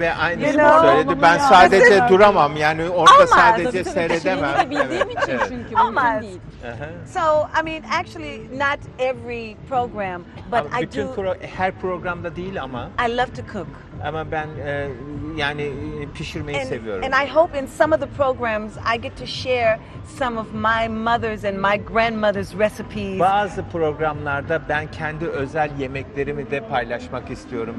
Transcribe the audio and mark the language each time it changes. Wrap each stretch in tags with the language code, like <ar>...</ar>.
<tr>Ve aynısını söyledi, ben sadece duramam, yani orada sadece seyredemem. Ama şeyini de bildiğim için çünkü mümkün değil.</tr> <en>So, I mean, actually, not every program, but I do...</en> <tr>Her programda değil ama...</tr> <en>I love to cook.</en> <tr>Ama ben yani pişirmeyi seviyorum.</tr> <en>And I hope in some of the programs I get to share some of my mother's and my grandmother's recipes.</en> <tr>Bazı programlarda ben kendi özel yemeklerimi de paylaşmak istiyorum.</tr>